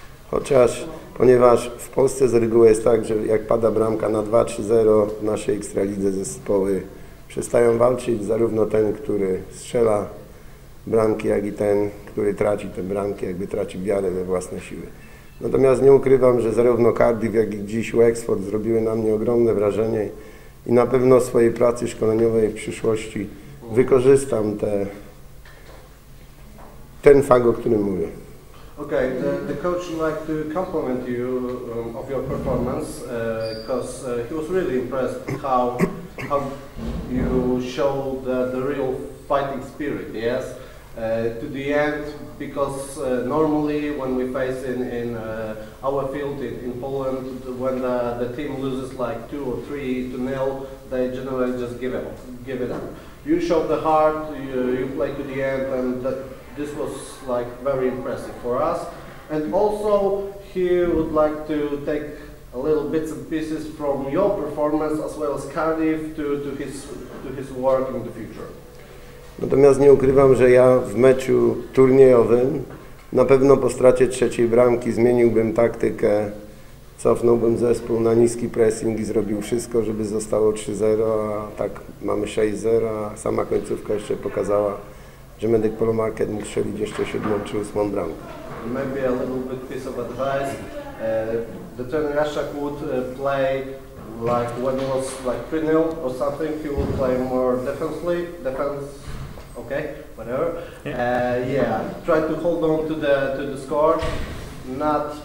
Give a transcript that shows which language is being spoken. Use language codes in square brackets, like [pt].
[pl] Chociaż, ponieważ w Polsce z reguły jest tak, że jak pada bramka na 2-3-0 w naszej ekstralidze, zespoły przestają walczyć, zarówno ten, który strzela bramki, jak i ten, który traci te bramki, jakby traci wiarę we własne siły. Natomiast nie ukrywam, że zarówno Cardiff, jak i dziś Wexford zrobiły na mnie ogromne wrażenie i na pewno w swojej pracy szkoleniowej w przyszłości wykorzystam ten fakt, o którym mówię. [en] Okay, the coach would like to compliment you of your performance, because he was really impressed how you showed the real fighting spirit, yes? To the end, because normally when we face in our field in Poland, when the team loses like 2 or 3-0, they generally just give it up. You showed the heart, you played to the end, and this was like very impressive for us. And also, he would like to take a little bits and pieces from your performance as well as Cardiff to his work in the future. [pl] Natomiast nie ukrywam, że ja w meczu turniejowym na pewno po stracie trzeciej bramki zmieniłbym taktykę, cofnąłbym zespół na niski pressing i zrobił wszystko, żeby zostało 3-0, a tak mamy 6-0, a sama końcówka jeszcze pokazała, że Medic Polo Market mógł strzelić jeszcze 7 czy 8 bramkę. [en] Maybe a little bit piece of advice. The trainer Jaszczak would play like when it was like 3-0 or something, he would play more defense. Okay, whatever. Yeah. Try to hold on to the score, not